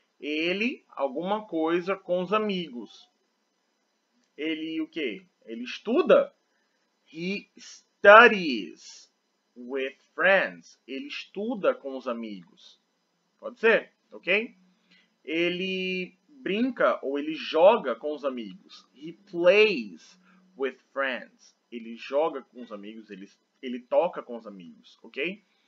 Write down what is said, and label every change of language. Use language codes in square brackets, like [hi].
[pt] Ele, alguma coisa com os amigos. Ele o quê? Ele estuda? [en] He studies with friends. [pt] Ele estuda com os amigos. Pode ser? Ok? Ele brinca ou ele joga com os amigos. [en] He plays with friends. [pt] Ele joga com os amigos, ele toca com os amigos, ok?